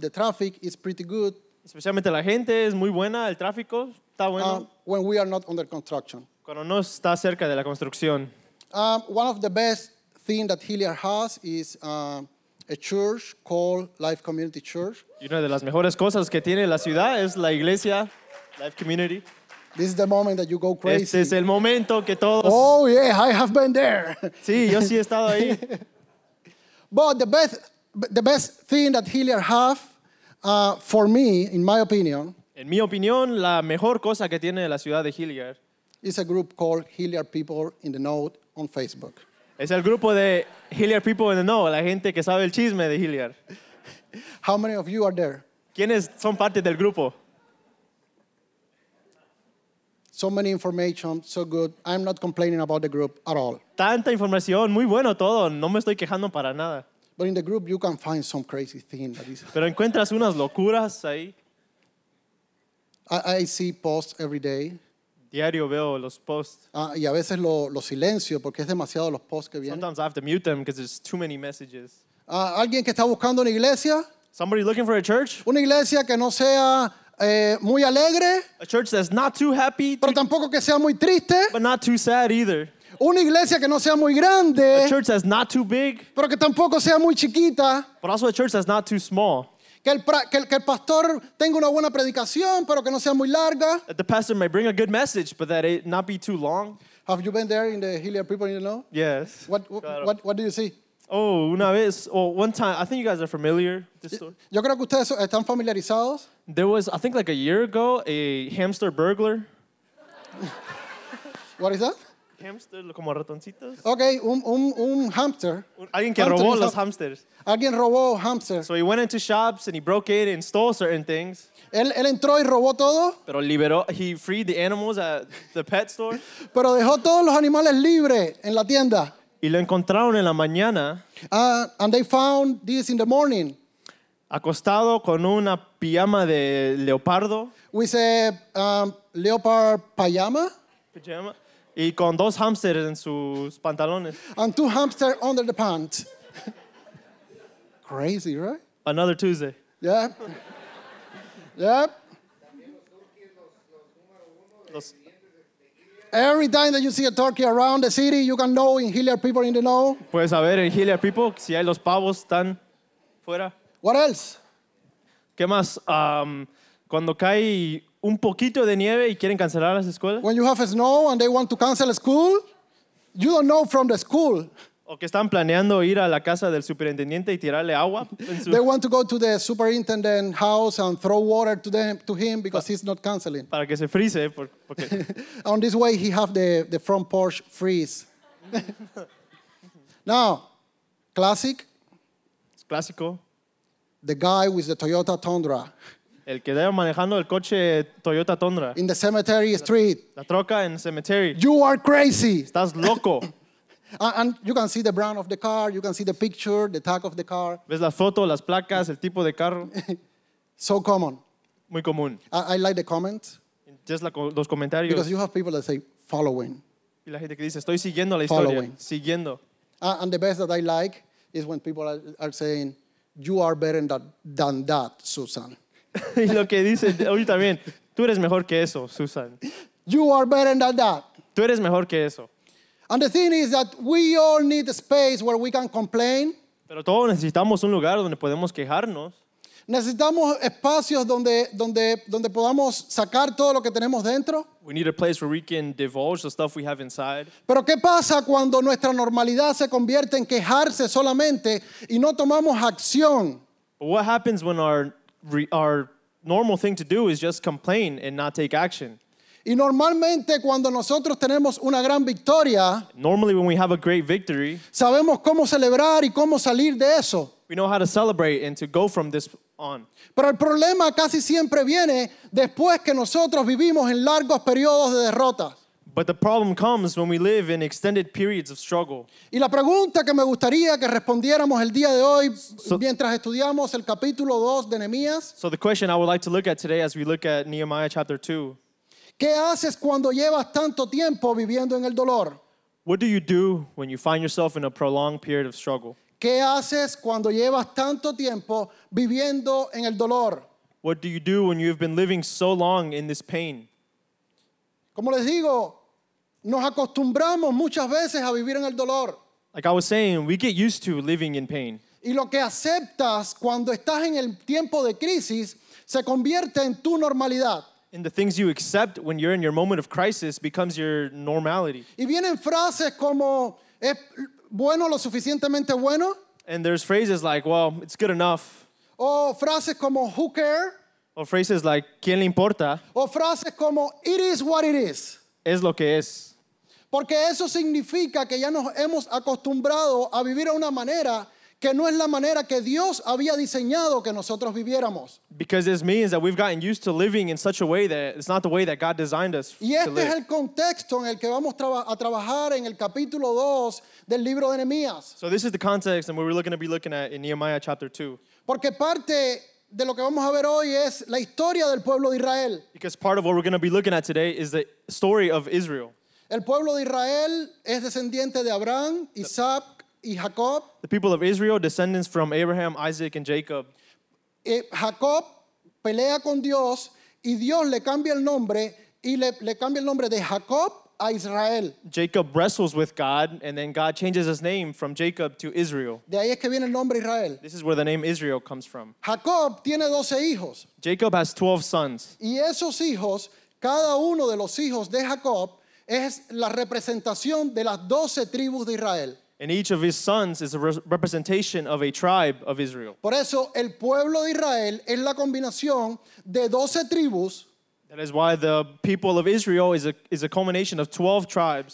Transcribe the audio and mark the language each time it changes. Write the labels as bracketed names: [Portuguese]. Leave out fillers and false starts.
[English] The traffic is pretty good. [Spanish] Especialmente la gente es muy buena. El tráfico está bueno. [English] When we are not under construction. [Spanish] Cuando no está cerca de la construcción. [English] One of the best thing that Hilliard has is a church called Life Community Church. [Spanish] Y una de las mejores cosas que tiene la ciudad es la iglesia Life Community. [English] This is the moment that you go crazy. [Spanish] Este es el momento que todos. [English] Oh yeah, I have been there. [Spanish] Sí, yo sí he estado ahí. [English] But the best thing that Hilliard have for me, in my opinion. [Spanish] En mi opinión, la mejor cosa que tiene la ciudad de Hilliard [English] is a group called Hilliard People in the Know on Facebook. [Spanish] Es el grupo de Hilliard People in the Know, la gente que sabe el chisme de Hilliard. [English] How many of you are there? [Spanish] ¿Quiénes son parte del grupo? [English] So many information, so good. I'm not complaining about the group at all. [Spanish] Tanta información, muy bueno todo. No me estoy quejando para nada. [English] But in the group, you can find some crazy thing that is. [Spanish] Pero encuentras unas locuras ahí. [English] I see posts every day. [Spanish] Diario veo los posts. Y a veces lo silencio porque es demasiado los posts que vienen. [English] Sometimes I have to mute them because there's too many messages. [Spanish] Alguien que está buscando una iglesia. [English] Somebody looking for a church. [Spanish] Una iglesia que no sea muy alegre. [English] A church that's not too happy. [Spanish] Pero tampoco que sea muy triste. [English] But not too sad either. [Spanish] Una iglesia que no sea muy grande. [English] A church that's not too big. [Spanish] Pero que tampoco sea muy chiquita. [English] But also a church that's not too small. [Spanish] Que el pastor tenga una buena predicación, pero que no sea muy larga. [English] That the pastor may bring a good message, but that it not be too long. Have you been there in the Hilliard People, you know? Yes. What do you see? Oh, [Spanish] una vez, [English] or oh, one time, I think you guys are familiar with this story. [Spanish] Yo creo que ustedes están familiarizados. [English] There was, I think like a year ago, a hamster burglar. What is that? [Spanish] Hamster, como ratoncitos. Okay, un hamster. Alguien que robó los hamsters. Alguien robó hamster. [English] So he went into shops and he broke in and stole certain things. [Spanish] Él entró y robó todo. Pero liberó, [English] he freed the animals at the pet store. [Spanish] Pero dejó todos los animales libres en la tienda. Y lo encontraron en la mañana. [English] And they found this in the morning. [Spanish] Acostado con una pijama de leopardo. [English] With a leopard pajama. [Spanish] Pajama. Y con dos hamsters en sus pantalones. [English] And two hamsters under the pants. Crazy, right? Another Tuesday. Yeah. Yeah. Every time that you see a turkey around the city, you can know in Hilliard People in the Know. [Spanish] Puedes saber en Hilliard People si hay los pavos están fuera. [English] What else? [Spanish] ¿Qué más? Cuando cae un poquito de nieve y quieren cancelar las escuelas. [English] When you have snow and they want to cancel school, you don't know from the school. [Spanish] O que están planeando ir a la casa del superintendente y tirarle agua. [English] They want to go to the superintendent house and throw water to him because he's not canceling. [Spanish] Para que se frise. [English] On this way, he have the front porch freeze. Now, classic. [Spanish] Es clásico. [English] The guy with the Toyota Tundra. [Spanish] El que está manejando el coche Toyota Tundra. [English] In the cemetery street. [Spanish] La troca en el cemetery. [English] You are crazy. [Spanish] Estás loco. [English] And you can see the brand of the car. You can see the picture, the tag of the car. [Spanish] Ves la foto, las placas, el tipo de carro. [English] So common. [Spanish] Muy común. [English] I like the comments. Just [Spanish] los comentarios. [English] Because you have people that say following. [Spanish] Y la gente que dice estoy siguiendo la historia. [English] Following. [Spanish] Siguiendo. [English] And the best that I like is when people are saying you are better than that, Susan. [Spanish] Y lo que dice hoy también. Tú eres mejor que eso, Susan. [English] You are better than that. [Spanish] Tú eres mejor que eso. [English] And the thing is that we all need a space where we can complain. [Spanish] Pero todos necesitamos un lugar donde podemos quejarnos. Necesitamos espacios donde podamos sacar todo lo que tenemos dentro. [English] We need a place where we can divulge the stuff we have inside. [Spanish] Pero ¿qué pasa cuando nuestra normalidad se convierte en quejarse solamente y no tomamos acción? [English] But what happens when our normal thing to do is just complain and not take action? [Spanish] Y normalmente cuando nosotros tenemos una gran victoria, [English] normally when we have a great victory, [Spanish] sabemos cómo celebrar y cómo salir de eso. [English] We know how to celebrate and to go from this on. [Spanish] Pero el problema casi siempre viene después que nosotros vivimos en largos periodos de derrotas. [English] But the problem comes when we live in extended periods of struggle. [Spanish] Y la pregunta que me gustaría que respondiéramos el día de hoy, mientras estudiamos el capítulo 2 de Nehemías. [English] So the question I would like to look at today as we look at Nehemiah chapter 2. [Spanish] ¿Qué haces cuando llevas tanto tiempo viviendo en el dolor? [English] What do you do when you find yourself in a prolonged period of struggle? [Spanish] ¿Qué haces cuando llevas tanto tiempo viviendo en el dolor? [English] What do you do when you've been living so long in this pain? [Spanish] Como les digo, nos acostumbramos muchas veces a vivir en el dolor. [English] Like I was saying, we get used to living in pain. [Spanish] Y lo que aceptas cuando estás en el tiempo de crisis se convierte en tu normalidad. [English] And the things you accept when you're in your moment of crisis becomes your normality. [Spanish] Y vienen frases como, ¿es bueno lo suficientemente bueno? [English] And there's phrases like, well, it's good enough. [Spanish] O frases como, [English] who cares? Or phrases like, [Spanish] ¿quién le importa? O frases como, [English] it is what it is. [Spanish] Es lo que es. Porque eso significa que ya nos hemos acostumbrado a vivir a una manera que no es la manera que Dios había diseñado que nosotros viviéramos. [English] Because this means that we've gotten used to living in such a way that it's not the way that God designed us to live. [Spanish] Y este es el contexto en el que vamos a trabajar en el capítulo 2 del libro de Nehemías. [English] So this is the context and what we're going to be looking at in Nehemiah chapter 2. [Spanish] Porque parte de lo que vamos a ver hoy es la historia del pueblo de Israel. [English] Because part of what we're going to be looking at today is the story of Israel. [Spanish] El pueblo de Israel es descendiente de Abraham, Isaac, y Jacob. [English] The people of Israel, descendants from Abraham, Isaac, and Jacob. [Spanish] Jacob pelea con Dios, y Dios le cambia el nombre, y le cambia el nombre de Jacob a Israel. [English] Jacob wrestles with God, and then God changes his name from Jacob to Israel. [Spanish] De ahí es que viene el nombre Israel. [English] This is where the name Israel comes from. [Spanish] Jacob tiene 12 hijos. [English] Jacob has 12 sons. [Spanish] Y esos hijos, cada uno de los hijos de Jacob, es la representación de las 12 tribus de Israel. [English] And each of his sons is a representation of a tribe of Israel. [Spanish] Por eso el pueblo de Israel es la combinación de 12 tribus. [English] That is why the people of Israel is a culmination of 12 tribes.